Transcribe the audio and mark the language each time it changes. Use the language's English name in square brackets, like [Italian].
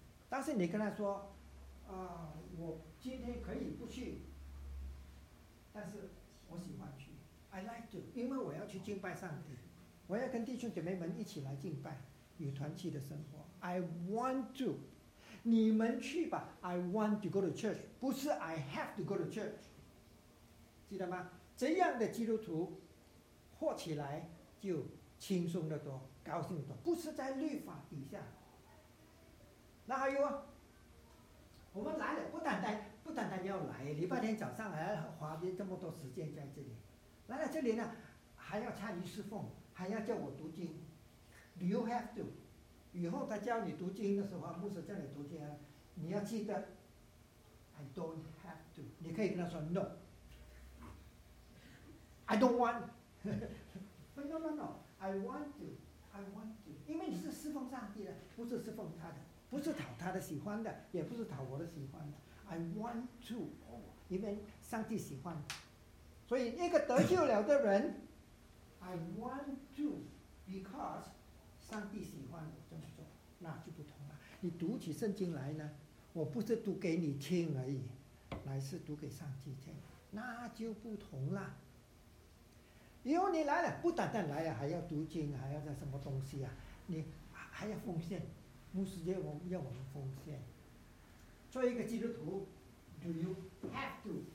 [Chinese] 但是你跟他说，我今天可以不去，但是我喜欢去 ， [English] I like to， [Chinese] 因为我要去敬拜上帝，我要跟弟兄姐妹们一起来敬拜，与团契的生活 ， [English] I want to。 [Chinese] 你们去吧 ， [English] I want to go to church， [Chinese] 不是 [English] I have to go to church， [Chinese] 记得吗？这样的基督徒，活起来就轻松的多，高兴的多，不是在律法底下。那还有啊，我们来了，不单单要来，礼拜天早上还要花这么多时间在这里，来了这里呢，还要参与侍奉，还要叫我读经 ， [English] You have to。 [Chinese] 以后他教你读经的时候，牧师叫你读经，你要记得 ， [English] I don't have to。 [Chinese] 你可以跟他说 [English] ，No，I don't want，No，No，No，I want to，I want to。 [Chinese] 因为你是侍奉上帝的，不是侍奉他的，不是讨他的喜欢的，也不是讨我的喜欢的。 [English] I want to， [Chinese] 因为上帝喜欢。所以一个得救了的人， [English] I want to because。 [Chinese] 上帝喜欢我这么做，那就不同了。你读起圣经来呢，我不是读给你听而已，乃是读给上帝听，那就不同了。以后你来了，不单单来了，还要读经，还要在什么东西啊？你还要奉献，牧师要我们奉献。做一个基督徒 [English] ，Do you have to？